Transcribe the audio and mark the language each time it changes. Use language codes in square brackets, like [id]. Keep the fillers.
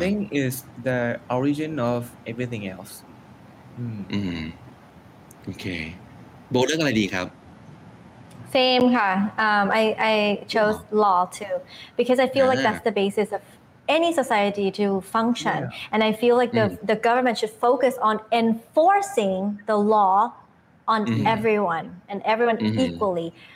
[en] think is the origin of everything else อืม [th] อืมโอเค โบทเรื่องอะไรดีครับ [en] Same, huh? Um, I, I chose law too because I feel like that's the basis of any society to function. And I feel like the, the government should focus on enforcing the law on Mhm. everyone and everyone Mhm. equally.